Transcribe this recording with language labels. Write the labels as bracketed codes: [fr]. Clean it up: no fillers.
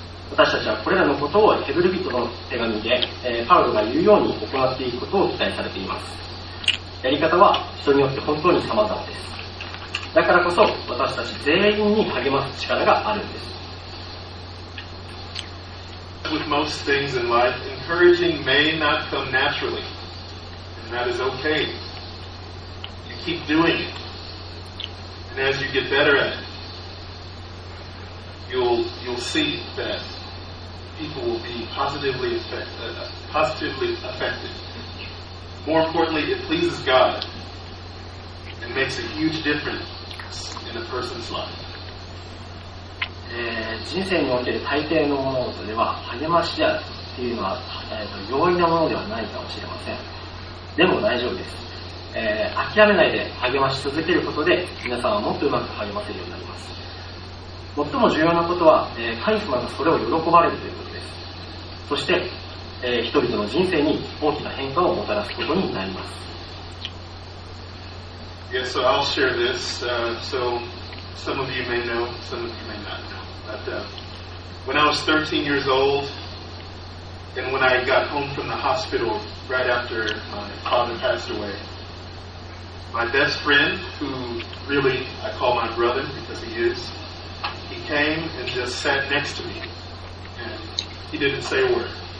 [ja] 私たちはこれらのことをヘブル人の手紙で、パウロが言うように行っていくことを期待されています。やり方は人によって本当に様々です。だからこそ私たち全員に励ます力があるんです。 [en] With most things in life, encouraging may not come naturally, and that is okay. You keep doing it, and as you get better at it, you'll see thatPeople will be positively affected. More importantly, it pleases God and makes a huge difference in a person's life. [ja] 人生における大抵の物事では励ましやというのは、容易なものではないかもしれません。でも大丈夫です。諦めないで励まし続けることで皆さんはもっとうまく励ませるようになります。最も重要なことは、神様がそれを喜ばれるということ。そして、人々の人生に大きな変化をもたらすことになります。 [en] Yes, so I'll share this. So some of you may know, some of you may not know. But when I was 13 years old, and when I got home from the hospital right after my father passed away, my best friend, who really I call my brother because he is, he came and just sat next to me and he didn't say a word.